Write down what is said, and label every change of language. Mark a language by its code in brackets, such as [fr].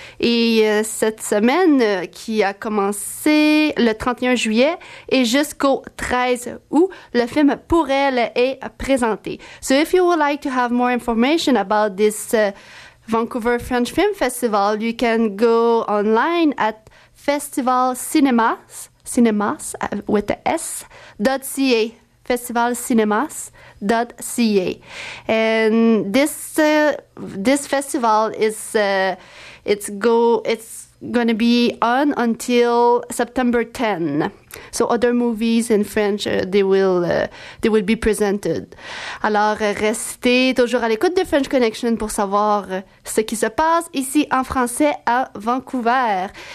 [fr] Et cette semaine qui a commencé le 31 juillet et jusqu'au 13 août, le film Pour elle est présenté. [en] So if you would like to have more information about this Vancouver French Film Festival, you can go online at festivalcinemas.ca. festivalcinemas.ca. And this festival is it's going to be on until September 10. So other movies in French, they will be presented. [fr] Alors, restez toujours à l'écoute de French Connection pour savoir ce qui se passe ici en français à Vancouver.